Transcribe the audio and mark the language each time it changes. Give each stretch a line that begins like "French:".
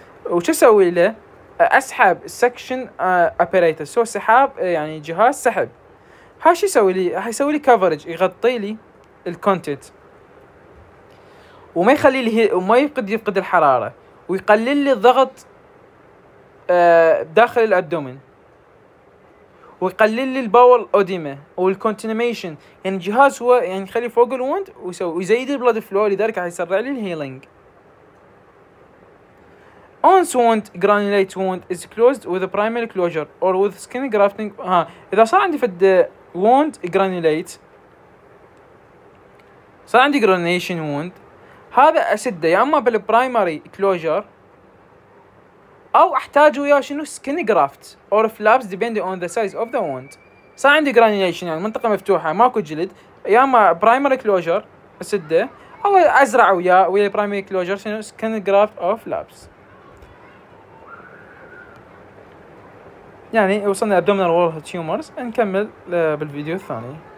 Arabic: وش اسوي له اسحب سكشن ابيريتر سو سحاب يعني جهاز سحب هاش يسوي لي حيسوي لي كفرج يغطي لي الكونتنت وما يخلي لي وما يفقد الحراره ويقلل لي الضغط داخل الابدومين ويقلل لي الباور اوديما والكونتينيشن يعني الجهاز هو يعني يخلي فوق الوند ويسوي ويزيد البلاد فلو لذلك حيسرع لي الهيلينج
English: Once wound granulate wound is closed with a primary closure or with skin grafting.
Arabic: إذا صار عندي فد
English: wound granulate.
Arabic: صار عندي
English: granulation wound.
Arabic: هذا أسده يا أما بالبرايمري كلوجر أو أحتاج وياه شنو
English: skin graft or flaps depending on the size of the wound.
Arabic: صار عندي granulation يعني منطقة مفتوحة ماكو جلد، يا أما برايمري كلوجر أسده أو أزرع وياه ويا برايمري كلوجر شنو
English: skin graft or flaps.
Arabic: يعني وصلنا ابدومينال وول تيومرز، نكمل بالفيديو الثاني.